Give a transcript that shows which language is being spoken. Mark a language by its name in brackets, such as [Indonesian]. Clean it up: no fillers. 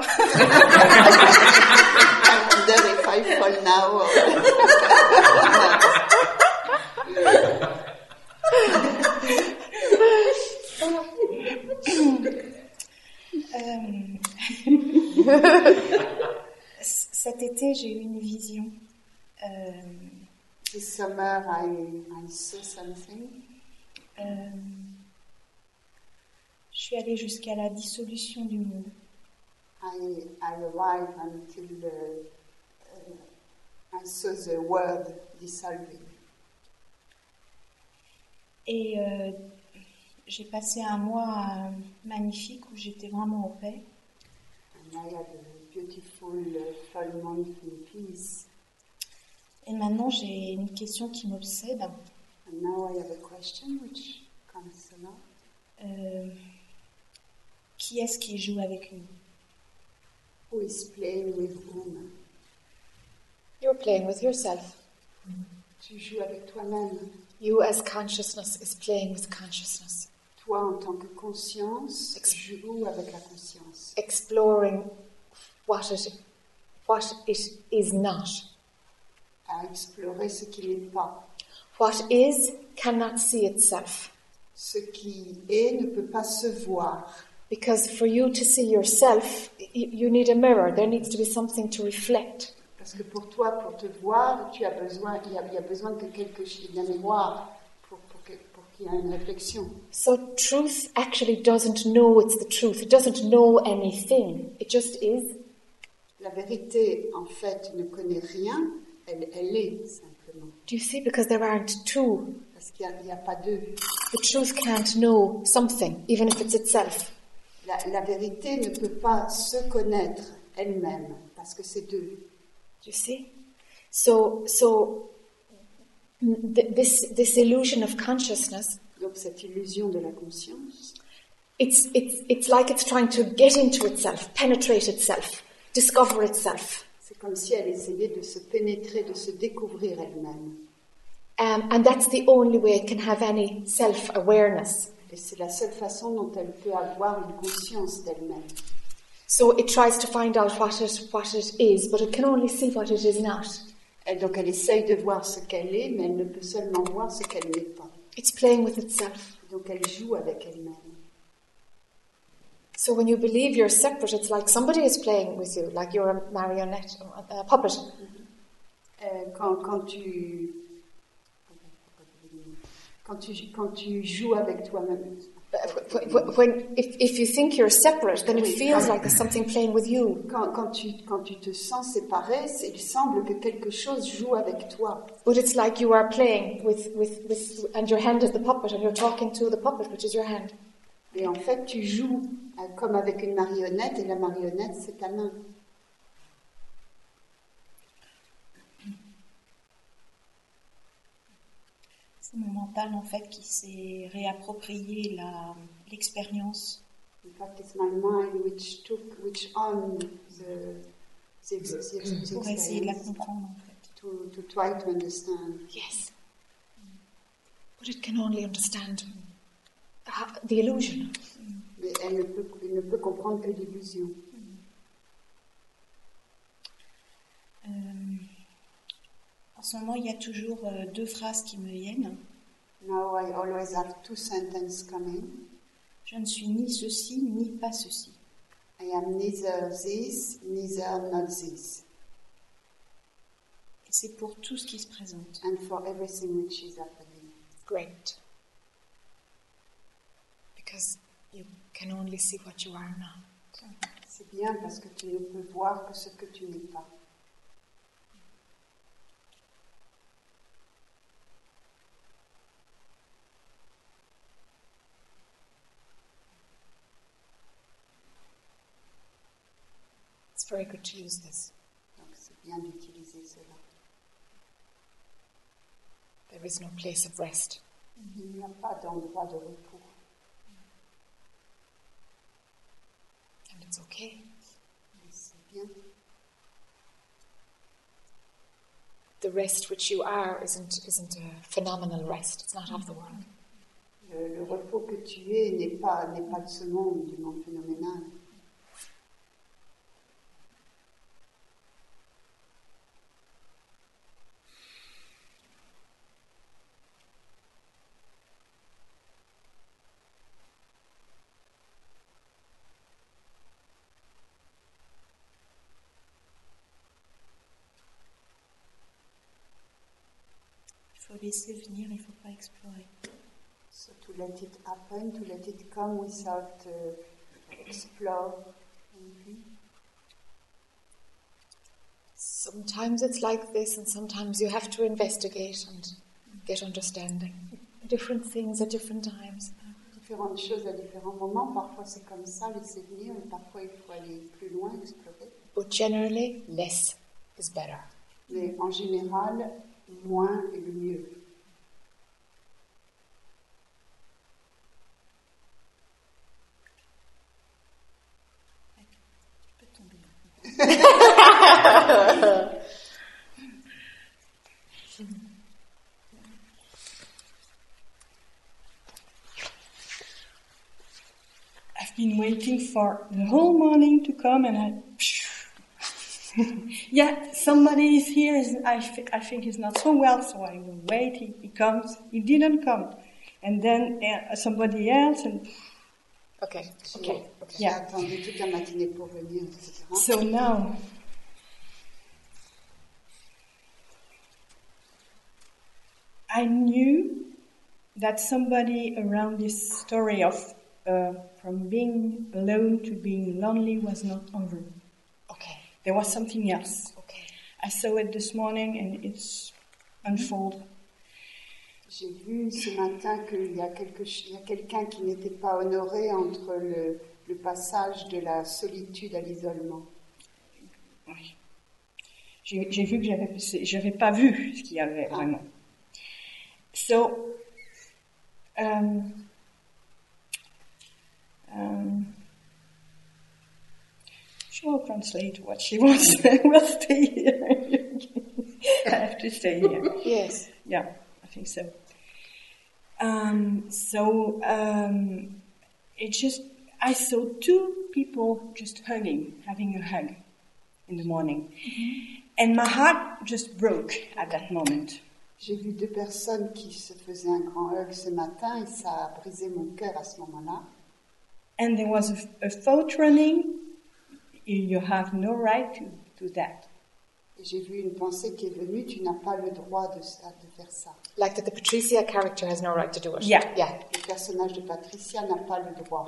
[English] I wonder if I fall now. [French] Cet été, j'ai eu une vision. [English] This summer, I saw something. [French] Je suis allée jusqu'à la dissolution du monde. [English] I arrived until the I saw the world dissolving. [French] Et j'ai passé un mois magnifique où j'étais vraiment en paix. [English] And I had a beautiful full month in peace. [French] Et maintenant, j'ai une question qui m'obsède. [English] And now I have a question which comes along. [French] Qui est-ce qui joue avec nous? [English] Who is playing with whom? You're playing with yourself. [French] Tu joues avec toi-même. [English] You as consciousness is playing with consciousness. [French] Toi, en tant que conscience, joues avec la conscience. [English] Exploring what it is not. [French] À explorer ce qui n'est pas. [English] What is cannot see itself. [French] Ce qui est ne peut pas se voir. [English] Because for you to see yourself, you need a mirror. There needs to be something to reflect. [French] Parce que pour toi, pour te voir, tu as besoin, il y a besoin de quelque chose, d'un miroir pour qu'il y ait une réflexion. [English] So truth actually doesn't know it's the truth. It doesn't know anything. It just is. [French] La vérité, en fait, ne connaît rien. Elle est simplement. [English] Do you see? Because there aren't two. [French] Parce qu'il n'y a pas deux. [English] The truth can't know something, even if it's itself. [French] La vérité ne peut pas se connaître elle-même, parce que c'est deux. [English] Do you see? So this illusion of consciousness. [French] Donc cette illusion de la conscience. [English] It's like it's trying to get into itself, penetrate itself, discover itself. [French] C'est comme si elle essayait de se pénétrer, de se découvrir elle-même. [English] And that's the only way it can have any self-awareness. [French] Et c'est la seule façon dont elle peut avoir une conscience d'elle-même. [English] So it tries to find out what it is, but it can only see what it is not. [French] Et donc elle essaye de voir ce qu'elle est, mais elle ne peut seulement voir ce qu'elle n'est pas. [English] It's playing with itself. [French] Donc elle joue avec elle-même. [English] So when you believe you're separate, it's like somebody is playing with you, like you're a marionette, a puppet. [French] Quand tu joues avec toi-même. [English] When if you think you're separate, then it feels like there's something playing with you. [French] Quand tu te sens séparé, il semble que quelque chose joue avec toi. [English] But it's like you are playing with and your hand is the puppet, and you're talking to the puppet, which is your hand. [French] Et en fait, tu joues comme avec une marionnette, et la marionnette, c'est ta main. C'est mon mental, en fait, qui s'est réapproprié l'expérience. [English] In fact, it's my mind which owned the experience. [French] Pour essayer de la comprendre, en fait. [English] To try to understand. Yes. But it can only understand the illusion. [French] Mais elle ne peut comprendre que l'illusion. En ce moment, il y a toujours deux phrases qui me viennent. [English] Now I always have two sentences coming. [French] Je ne suis ni ceci, ni pas ceci. [English] I am neither this, neither not this. [French] Et c'est pour tout ce qui se présente. [English] And for everything which is happening. Great. Because you can only see what you are now. [French] C'est bien parce que tu ne peux voir que ce que tu n'es pas. [English] Very good to use this. [French] Donc, c'est bien d'utiliser cela. [English] There is no place of rest. [French] Il n'y a pas d'endroit de repos. [English] And it's okay. [French] Mais c'est bien. [English] The rest which you are isn't a phenomenal rest. It's not of the world. [French] Le repos que tu es n'est pas de ce monde, du monde phénoménal. Laisser venir, il ne faut pas explorer. [English] So to let it happen, to let it come without explore. Mm-hmm. Sometimes it's like this, and sometimes you have to investigate and get understanding. Different things at different times. [French] Différentes choses à différents moments. Parfois c'est comme ça, laisser venir, et parfois il faut aller plus loin, explorer. [English] But generally, less is better. [French] Mais en général, moins est le mieux. [English] I've been waiting for the whole morning to come, and I. Yeah, somebody is here. I think he's not so well, so I will wait. He comes. He didn't come, and then somebody else and. Okay. [French] J'ai attendu toute la matinée pour venir, etc. [English] So now, I knew that somebody around this story of from being alone to being lonely was not over. Okay. There was something else. Okay. I saw it this morning, and it's unfold. [French] J'ai vu ce matin qu'il y a quelqu'un qui n'était pas honoré entre le passage de la solitude à l'isolement. Oui. J'ai vu que j'avais pas vu ce qu'il y avait vraiment. [English] So, she will translate what she wants. We'll stay here. I have to stay here. Yes. Yeah, I think so. So it just, I saw two people just hugging, having a hug in the morning. Mm-hmm. And my heart just broke at that moment. [French] J'ai vu deux personnes qui se faisaient un grand hug ce matin et ça a brisé mon cœur à ce moment-là. [English] And there was a thought running, you have no right to do that. [French] J'ai vu une pensée qui est venue, tu n'as pas le droit de faire ça. [English] Like that the Patricia character has no right to do it. Yeah. Yeah. [French] Le personnage de Patricia n'a pas le droit.